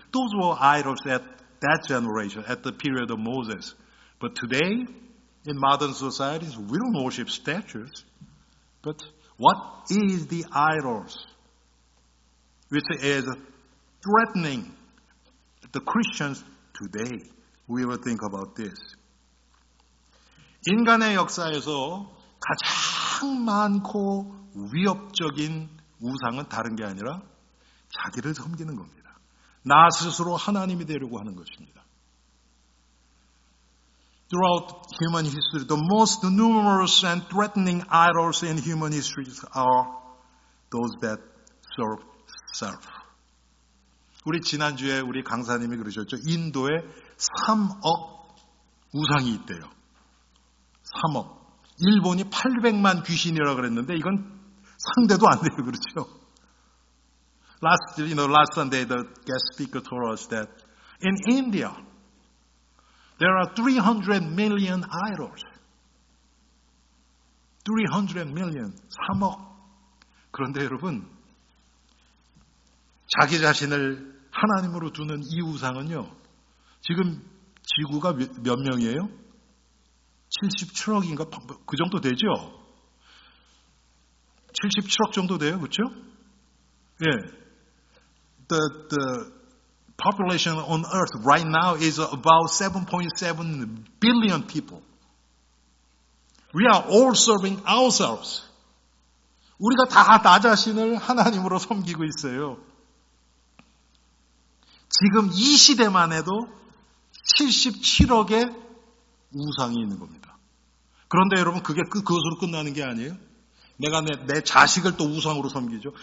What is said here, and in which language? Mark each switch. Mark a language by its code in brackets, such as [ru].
[en] Those were idols at that generation, at the period of Moses. But today, in modern societies, we don't worship statues. But what is the idols which is threatening the Christians today? We will think about this. [ko] 인간의 역사에서 가장 많고 위협적인 우상은 다른 게 아니라 자기를 섬기는 겁니다. 나 스스로 하나님이 되려고 하는 것입니다. [en] Throughout human history, the most numerous and threatening idols in human history are those that serve self. [ko] 우리 지난주에 우리 강사님이 그러셨죠. 인도에 3억 우상이 있대요. 3억. 일본이 800만 귀신이라고 그랬는데 이건 상대도 안 돼요, 그렇죠? [en] Last Sunday, the guest speaker told us that In India, there are 300 million idols. 300 million, 3억. [ko] 그런데 여러분, 자기 자신을 하나님으로 두는 이 우상은요, 지금 지구가 몇 명이에요? 77억인가? 그 정도 되죠? 77억 정도 돼요, 그렇죠? 예. [en] The population on earth right now is about 7.7 billion people. We are all serving ourselves. [ko] 우리가 다 나 자신을 하나님으로 섬기고 있어요. 지금 이 시대만 해도 77억의 우상이 있는 겁니다. 그런데 여러분 그게 그것으로 끝나는 게 아니에요. 내가 내 자식을 또 우상으로 섬기죠.